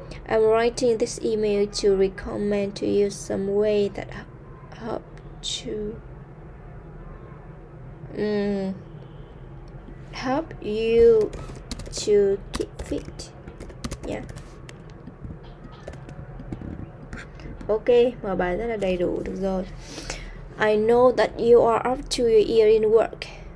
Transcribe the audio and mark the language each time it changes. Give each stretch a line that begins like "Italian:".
English: I'm writing this email to recommend to you some way that help to help you to keep fit.
Vietnamese: Ok, mở bài rất là đầy đủ, được rồi.
English: I know that you are up to your ear in work.